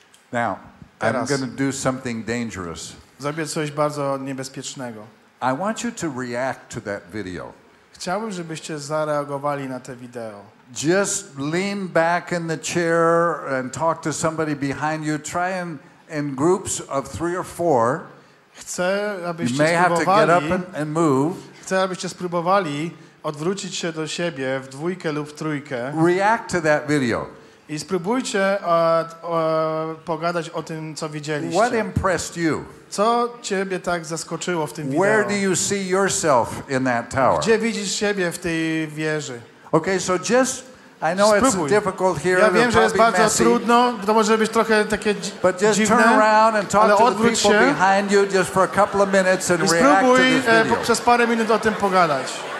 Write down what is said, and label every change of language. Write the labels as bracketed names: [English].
[English] Now, I'm going to do something dangerous. [Polish] Zrobię coś bardzo niebezpiecznego. [English] I want you to react to that video. [Polish] Chciałbym, żebyście zareagowali na te wideo. [English] Just lean back in the chair and talk to somebody behind you. Try and in groups of three or four. [Polish] Chcę, abyście [English] you may have to get up and move. [Polish] Chcę, abyście spróbowali odwrócić się do siebie w dwójkę lub w trójkę. [English] React to that video. [Polish] I spróbujcie pogadać o tym, co widzieliście. [English] What impressed you? [Polish] Co ciebie tak zaskoczyło w tym wideo? [English] Where do you see yourself in that tower? [Polish] Gdzie widzisz siebie w tej wieży? [English] Okay, so just I know [Polish] spróbuj. [English] It's difficult here. [Polish] Ja wiem, że jest bardzo trudno, to może być trochę takie dziwne. [English] But just turn around and talk to the people behind you just for a couple of minutes and react to this video. [Polish] Spróbuj przez parę minut o tym pogadać.